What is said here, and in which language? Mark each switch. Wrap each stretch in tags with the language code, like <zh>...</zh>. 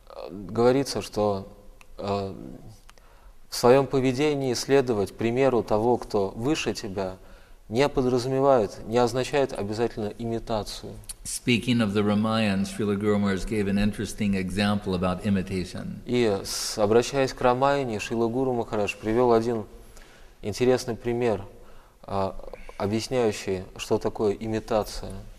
<ru>Говорится, что в своем поведении следовать примеру того, кто выше тебя, не подразумевает, не означает обязательно имитацию.</ru> <en>Speaking of the Ramayana, Srila Guru Maharaj gave an interesting example about imitation.</en> <ru>И обращаясь к Рамаяне, Шрила Гуру Махарадж привел один интересный пример, объясняющий, что такое имитация.</ru>